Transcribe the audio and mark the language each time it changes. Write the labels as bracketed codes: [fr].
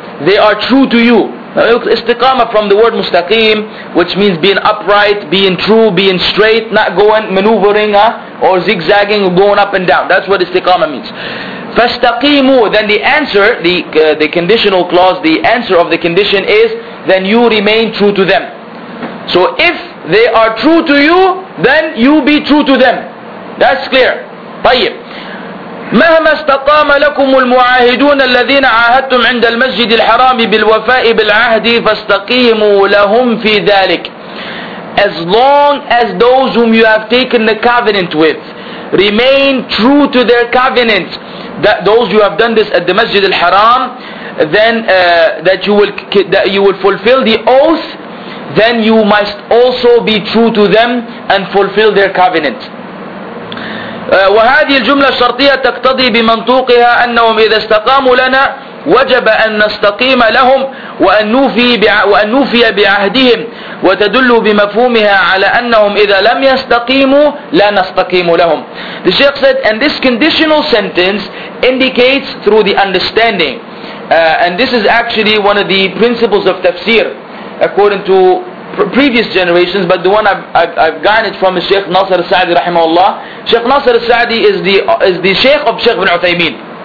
[en] They are true to you. استقامة from the word مستقيم, which means being upright, being true, being straight, not going maneuvering or zigzagging or going up and down. That's what استقامة means. [ar] فاستقيموا. [en] Then the answer, the conditional clause, the answer of the condition is then you remain true to them. So if they are true to you, then you be true to them. That's clear. طيب. [ar] مهما استقام لكم المعاهدون الذين عاهدتم عند المسجد الحرام بالوفاء بالعهد فاستقيموا لهم في ذلك. [en] As long as those whom you have taken the covenant with remain true to their covenant, that those you have done this at the Masjid al-Haram, then that you will fulfill the oath, then you must also be true to them and fulfill their covenant. [ar] وهذه الجملة الشرطية تقتضي بمنطوقها أنهم إذا استقاموا لنا وجب أن نستقيم لهم وأن نوفي بعهدهم, وتدل بمفهومها على أنهم إذا لم يستقيموا لا نستقيم لهم. [en] The Sheikh said, and this conditional sentence indicates through the understanding, and this is actually one of the principles of tafsir according to previous generations, but the one I've garnered from is Sheikh Nasr al-Sa'di rahimahullah. Sheikh Nasr al-Sa'di is the Sheikh of Sheikh bin Uthaymeen.